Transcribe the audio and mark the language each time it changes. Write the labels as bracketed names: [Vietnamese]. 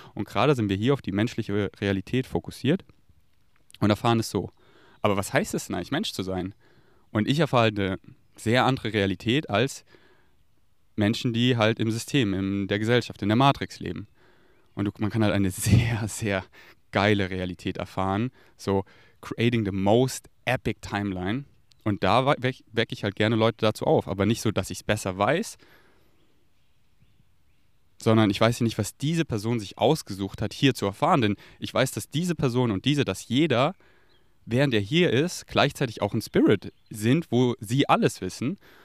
[German] Und gerade sind wir hier auf die menschliche Realität fokussiert und erfahren es so. Aber was heißt es denn eigentlich, Mensch zu sein? Und ich erfahre halt eine sehr andere Realität als Menschen, die halt im System, in der Gesellschaft, in der Matrix leben. Und man kann halt eine sehr, sehr geile Realität erfahren. [English] So, creating the most epic timeline. [German] Und da wecke ich halt gerne Leute dazu auf. Aber nicht so, dass ich es besser weiß, sondern ich weiß ja nicht, was diese Person sich ausgesucht hat, hier zu erfahren. Denn ich weiß, dass diese Person und diese, dass jeder, während er hier ist, gleichzeitig auch ein Spirit sind, wo sie alles wissen.